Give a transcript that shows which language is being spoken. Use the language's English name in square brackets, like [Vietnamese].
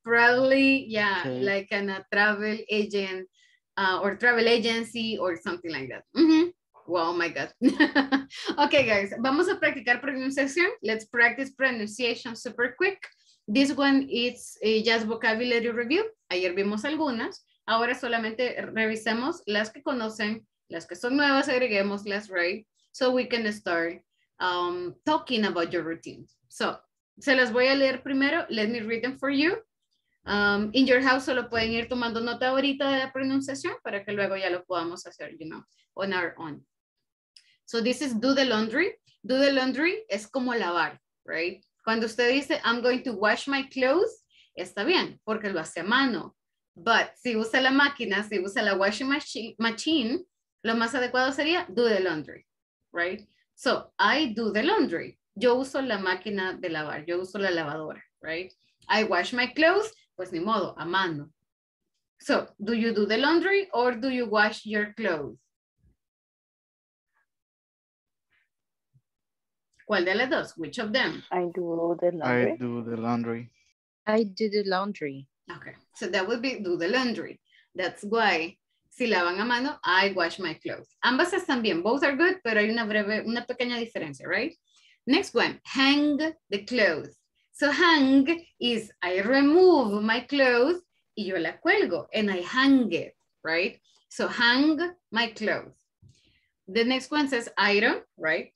[English] Probably, yeah, okay. Like a travel agent or travel agency or something like that. Mm-hmm. Wow, my God. Okay, guys, [Spanish] vamos a practicar pronunciación. [English] Let's practice pronunciation super quick. This one is just vocabulary review. [Spanish] Ayer vimos algunas. Ahora solamente revisemos las que conocen, las que son nuevas, agreguemos las, right? [English] So we can start talking about your routine. [Spanish] So, se las voy a leer primero. [English] Let me read them for you. In your house, [Spanish] solo pueden ir tomando nota ahorita de la pronunciación para que luego ya lo podamos hacer, [English] you know, on our own. So this is do the laundry. Do the laundry [Spanish] es como lavar, [English] right? [Spanish] Cuando usted dice, [English] I'm going to wash my clothes, [Spanish] está bien, porque lo hace a mano. But si usa la máquina, si usa la washing machine, lo más adecuado sería do the laundry, right? [English] So I do the laundry. [Spanish] Yo uso la máquina de lavar, yo uso la lavadora, right? [English] I wash my clothes, [Spanish] pues ni modo, a mano. [English] So do you do the laundry or do you wash your clothes? [Spanish] ¿Cuál de las dos? [English] Which of them? I do the laundry. I do the laundry. I do the laundry. Okay, so that would be do the laundry. That's why, [Spanish] si lavan a mano, [English] I wash my clothes. [Spanish] Ambas están bien, [English] both are good, [Spanish] pero hay una breve, una pequeña diferencia, right? [English] Next one, hang the clothes. So hang is I remove my clothes [Spanish] y yo la cuelgo, [English] and I hang it, right? So hang my clothes. The next one says iron, right?